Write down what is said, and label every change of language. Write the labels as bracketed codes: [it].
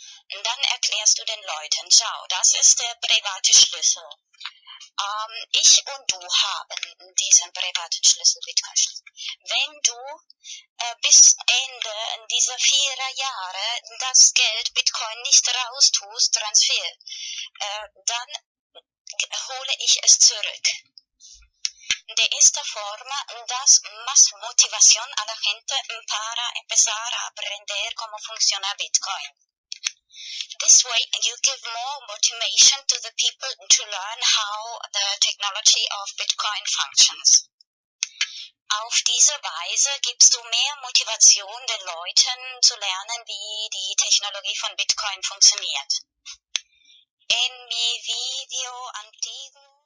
[de] Dann erklärst du den Leuten, schau, das ist der private Schlüssel. Ich und du haben diesen privaten Schlüssel, Bitcoin-Schlüssel. Wenn du bis Ende dieser 4 Jahre das Geld Bitcoin nicht raustust, Transfer, dann hole ich es zurück. [es] De esta forma, das más motivación a la gente para empezar a aprender cómo funciona Bitcoin. [en] This way, you give more motivation to the people to learn how the technology of Bitcoin functions. [de] Auf diese Weise gibst du mehr Motivation den Leuten zu lernen, wie die Technologie von Bitcoin funktioniert. [es] In mi video antiguo.